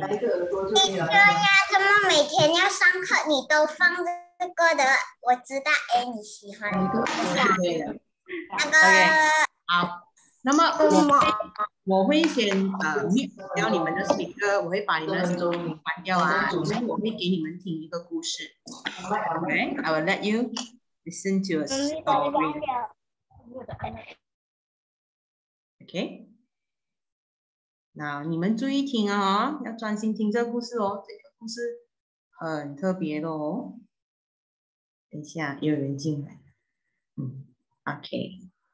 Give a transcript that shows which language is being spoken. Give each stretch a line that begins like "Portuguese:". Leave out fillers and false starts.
Chinese: 对呀，怎么每天要上课你都放这个的？我知道，哎，你喜欢。对的。那个。好。那么我会先mute 掉你们的 speaker， 我会把你们的 speaker 关掉啊，然后我会给你们听一个故事。
English: Okay, I will let you listen to a story. Okay. Now,
Chinese: 你们注意听啊，要专心听这个故事哦，这个故事很特别的哦。等一下，有人进来。Okay.